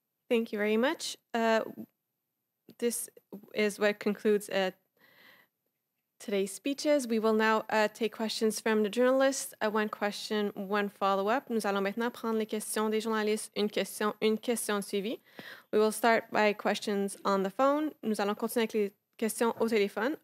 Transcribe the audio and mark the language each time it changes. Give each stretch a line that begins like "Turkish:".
English: Thank you very much. This is what concludes today's speeches. We will now take questions from the journalists. One question, one follow-up.
French: Nous allons maintenant prendre les questions des journalistes. Une question suivie.
English: We will start by questions on the phone.
French: Nous allons continuer avec les questions au téléphone.